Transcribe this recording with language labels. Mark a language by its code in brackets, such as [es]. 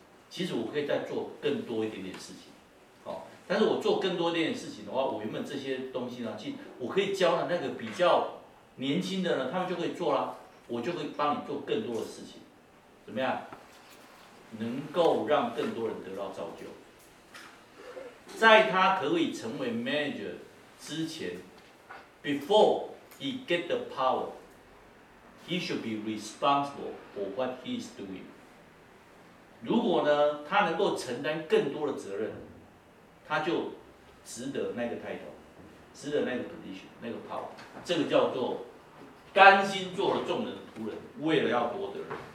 [zh] 其实我可以再做更多一点点事情，哦，但是我做更多一点事情的话，我原本这些东西呢，其实我可以教了那个比较年轻的呢，他们就可以做了，我就会帮你做更多的事情，怎么样？能够让更多人得到造就，在他可以成为 manager 之前。 [en] Before he get the power, he should be responsible for what he is doing. [zh] 如果呢，他能够承担更多的责任，他就值得那个 title， 值得那个 position， 那个 power。这个叫做甘心做了众人的仆人，为了要多得人。